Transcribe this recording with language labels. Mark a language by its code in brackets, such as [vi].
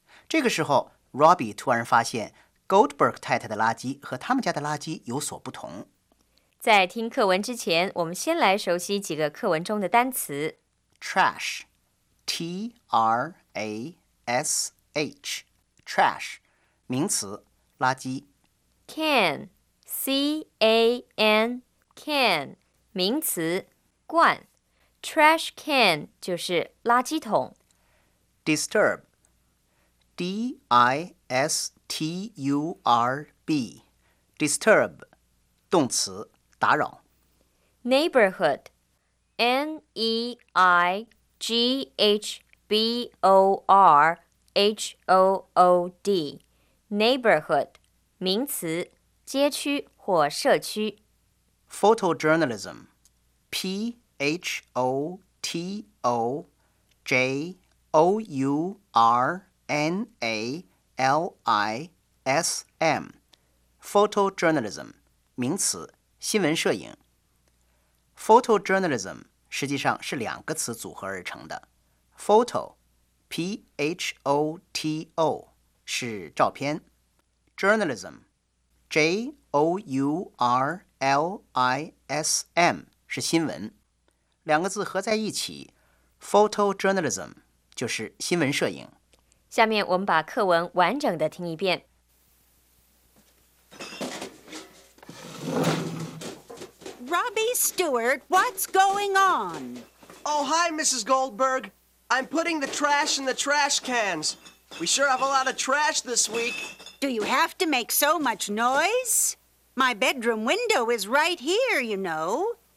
[zh] 这个时候 Robbie 突然发现 Goldberg 太太的垃圾和他们家的垃圾有所不同。在听课文之前，我们先来熟悉几个课文中的单词。 Trash， T-R-A-S-H，trash， 名词，垃圾。 can， c a n， can， 名词，罐。 trash can 就是垃圾桶。 disturb， d i s t u r b， disturb， 动词，打扰。 neighborhood， n e i g h b o rHOOD， neighborhood， 名词，街区或社区。 Photojournalism， PHOTOJOURNALISM， photojournalism， 名词，新闻摄影。 Photojournalism 实际上是两个词组合而成的， photo。 P-H-O-T-O 是照片， Journalism， J-O-U-R-L-I-S-M 是新闻，两个字合在一起， Photojournalism 就是新闻摄影。下面我们把课文完整的听一遍。 [en] Robbie Stewart, what's going on? Oh, hi, Mrs. Goldberg. I'm putting the trash in the trash cans. We sure have a lot of trash this week. Do you have to make so much noise? My bedroom window is right here, you know.